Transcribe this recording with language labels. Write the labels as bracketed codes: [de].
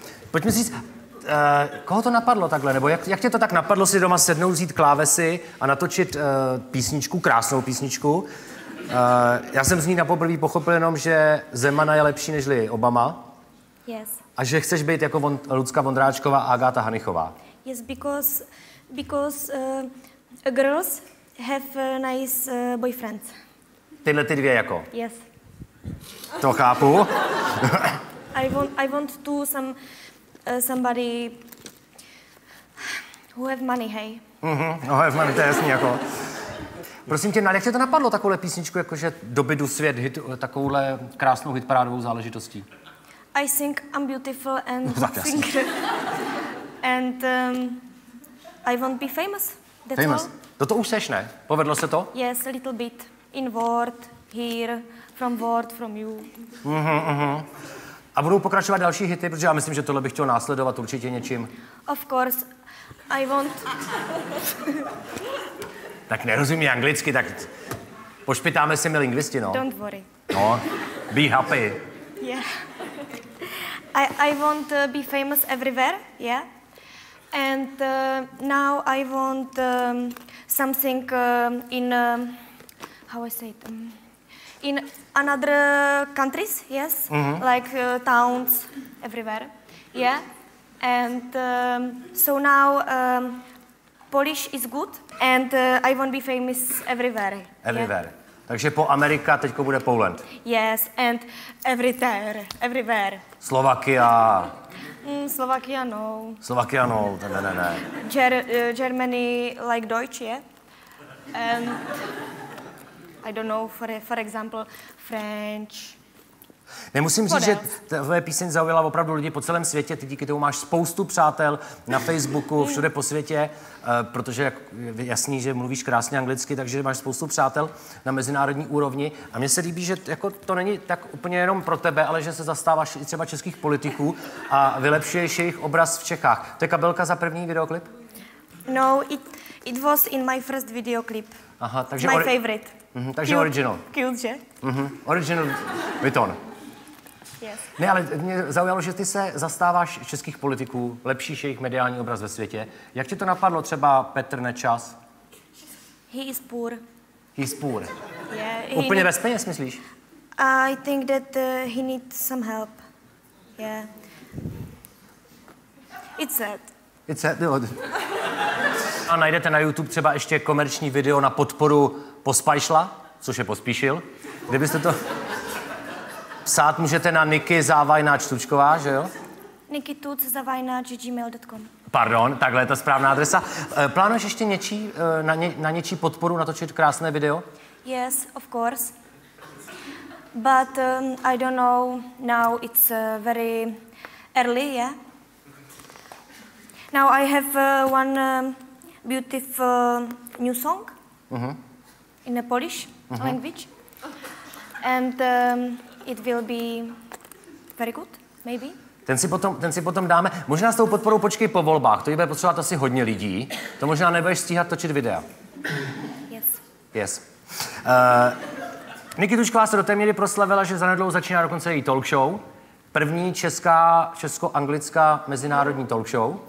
[cs] Pojďme si říct, koho to napadlo takhle, nebo jak tě to tak napadlo si doma sednout, vzít klávesy a natočit písničku, krásnou písničku? Já jsem z ní na poprvé pochopil jenom, že Zemana je lepší než Obama. [en] Yes. [cs] A že chceš být jako Lucka Vondráčková a Agáta Hanichová. [en] Yes, because girls have nice boyfriends. [cs] Tyhle ty dvě jako? [en] Yes. [cs] To chápu. [en] I want to somebody who have money, hey? [cs] Mhm, [en] have money, [cs] to je jasný jako. Prosím tě, jak tě to napadlo, takovouhle písničku, jakože doby do svět, hit, takovouhle krásnou hitparádovou záležitostí? [en] I think I'm beautiful and singer. And I won't be famous. That's famous. All. [cs] To už seš, ne? Povedlo se to? [en] Yes, a little bit. In word, here, from word, from you. [cs] A budou pokračovat další hity, protože já myslím, že tohle bych chtěl následovat určitě něčím. [en] Of course, I won't. [cs] Tak nerozumí anglicky, tak pošpitáme si mi lingvisti, no. [en] Don't worry. No, be happy. Yeah. I want to be famous everywhere, yeah. And now I want something in, how I say it? In another countries, yes. Mm-hmm. Like towns everywhere, yeah. And so now Polish is good. And I won't be famous everywhere. Everywhere. Yeah. [cs] Takže po Amerika teďko bude Poland. [en] Yes, and everywhere, everywhere. Slovakia. Slovakia, no. Slovakia, no, ne. Germany, like Deutsch, yeah? And I don't know, for example, French. [cs] Nemusím říct, že tvoje píseň zaujala opravdu lidi po celém světě. Ty díky tomu máš spoustu přátel na Facebooku, všude po světě, protože je jasný, že mluvíš krásně anglicky, takže máš spoustu přátel na mezinárodní úrovni. A mně se líbí, že jako to není tak úplně jenom pro tebe, ale že se zastáváš i třeba českých politiků a vylepšuješ jejich obraz v Čechách. To je kabelka za první videoklip? [en] No, it was in my first videoclip. [cs] Aha, takže [en] my favorite. [cs] Takže [en] cute. Original. [cs] Cute, že? [en] Original Vuitton. Yes. [cs] Ne, ale mě zaujalo, že ty se zastáváš českých politiků, lepšíš jejich mediální obraz ve světě. Jak tě to napadlo třeba Petr Nečas? [en] He is poor. He is poor. Yeah, [cs] úplně bez peněz, myslíš? [en] I think that he needs some help. Yeah. It's sad. It's sad, jo. [cs] A najdete na YouTube třeba ještě komerční video na podporu Pospajšla, což je Pospíšil. Kdybyste to... Psát můžete na niki@tučková, že jo? niki@gmail.com. Pardon, takhle je ta správná adresa. Plánuješ ještě něčí, na něčí podporu natočit krásné video? [en] Yes, of course. But I don't know, now it's very early, yeah? Now I have one beautiful new song. Uh-huh. In a Polish language. And... it will be very good, maybe. [cs] Ten si potom dáme, možná s tou podporou počkej po volbách, to bude potřebovat asi hodně lidí, to možná nebudeš stíhat točit videa. [en] Yes. [cs] Niki Tučková se do té míry proslavila, že zanedlouho začíná dokonce její talk show. První česko-anglická mezinárodní talk show.